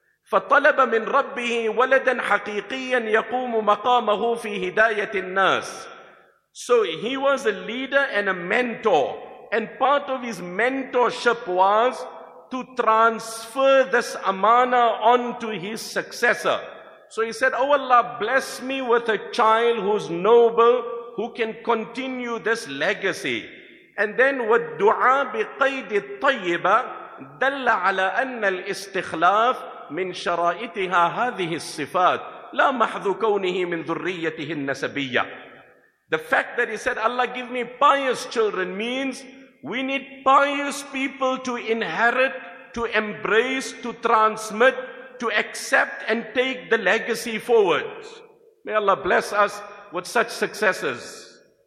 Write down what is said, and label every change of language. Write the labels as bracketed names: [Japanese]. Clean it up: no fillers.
[Arabic] فطلب من ربه ولدا حقيقيا يقوم مقامه في هداية الناس. [English] So he was a leader and a mentor, and part of his mentorship was to transfer this amana onto his successor. So he said, oh Allah, bless me with a child who's noble, who can continue this legacy. And then [Arabic] والدُعَاء بِقَيْدِ الطَّيِّبَةِ دَلَّ عَلَى أَنَّ الْإِسْتِخْلَافِ من شرائطها هذه الصفات لا محض كونه من ذريته النسبية. [English] The fact that he said, Allah give me pious children, means we need pious people to inherit, to embrace, to transmit, to accept and take the legacy forward. May Allah bless us with such successes.